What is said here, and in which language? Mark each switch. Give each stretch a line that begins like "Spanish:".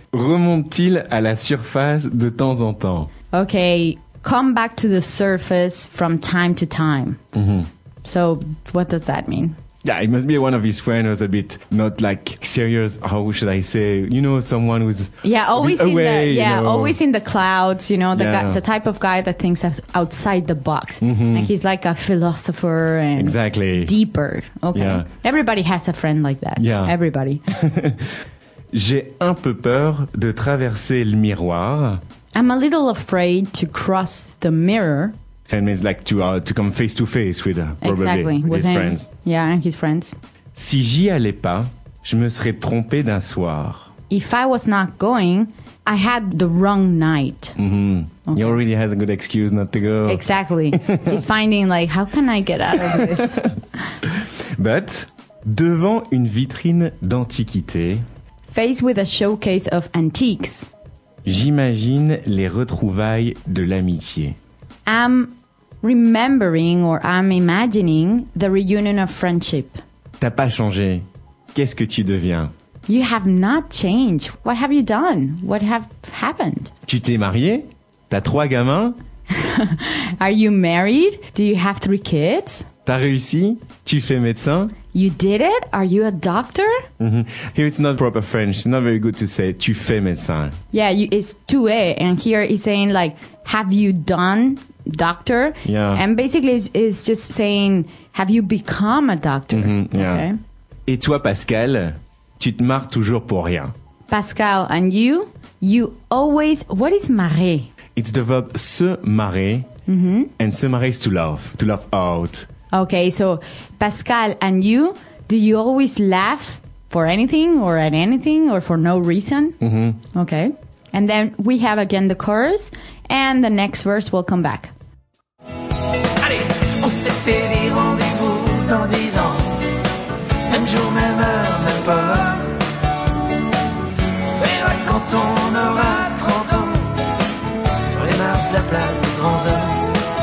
French: Remonte-t-il à la surface de temps en temps?
English: Okay, come back to the surface from time to time. Mm-hmm. So what does that mean? Yeah, it must be one of his friends who's a bit not like serious. How should I say? You know, someone who's always in the clouds. You know, the type of guy that thinks outside the box. Mm-hmm. Like he's like a philosopher and exactly deeper. Okay, yeah. Everybody has a friend like that. Yeah, everybody.
French: J'ai un peu peur de traverser le miroir.
English: I'm a little afraid to cross the mirror. That means like to come face to face with probably exactly, with his him. Friends. Yeah, and his friends.
French: Si j'y allais pas, je me serais trompé d'un soir.
English: If I was not going, I had the wrong night. Mm-hmm. Okay. He already has a good excuse not to go. Exactly. He's finding like, how can I get out of this?
French: But devant une vitrine d'antiquité.
English: Faced with a showcase of antiques.
French: J'imagine les retrouvailles de l'amitié.
English: I'm remembering or I'm imagining the reunion of friendship.
French: T'as pas changé. Qu'est-ce que tu deviens?
English: You have not changed. What have you done? What have happened?
French: Tu t'es marié? T'as trois gamins?
English: Are you married? Do you have three kids?
French: T'as réussi? Tu fais médecin?
English: You did it? Are you a doctor? Mm-hmm. Here it's not proper French. Not very good to say
French: tu fais médecin.
English: Yeah, it's
French: tu es.
English: And here he's saying like, have you done doctor? Yeah. And basically it's just saying, have you become a doctor? Mm-hmm, yeah. Okay.
French: Et toi, Pascal, tu te marres toujours pour rien.
English: Pascal, and you always, what is marrer? It's the verb
French: se marrer.
English: Mm-hmm. And se marrer is to laugh out. Okay, so Pascal and you, do you always laugh for anything or at anything or for no reason? Mm-hmm. Okay. And then we have again the chorus and the next verse will come back.
French: Allez, on s'est fait des rendez-vous dans 10 ans. Même jour, même heure, même pas. On verra quand on aura 30 ans. Sur les marches de la place des grands hommes.